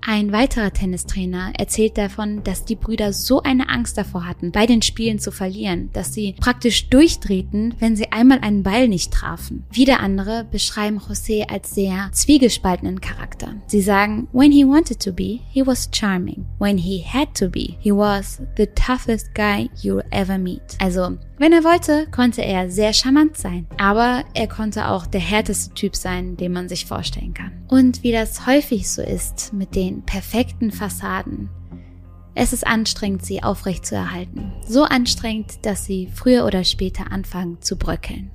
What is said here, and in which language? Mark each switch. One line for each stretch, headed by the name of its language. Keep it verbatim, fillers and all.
German: Ein weiterer Tennistrainer erzählt davon, dass die Brüder so eine Angst davor hatten, bei den Spielen zu verlieren, dass sie praktisch durchdrehten, wenn sie einmal einen Ball nicht trafen. Wieder andere beschreiben José als sehr zwiegespaltenen Charakter. Sie sagen,
English: when he wanted to be, he was charming. When he had to be, he was the toughest guy you'll ever meet.
German: Also, wenn er wollte, konnte er sehr charmant sein. Aber er konnte auch der härteste Typ sein, den man sich vorstellen kann. Und wie das häufig so ist mit den perfekten Fassaden, es ist anstrengend, sie aufrecht zu erhalten. So anstrengend, dass sie früher oder später anfangen zu bröckeln.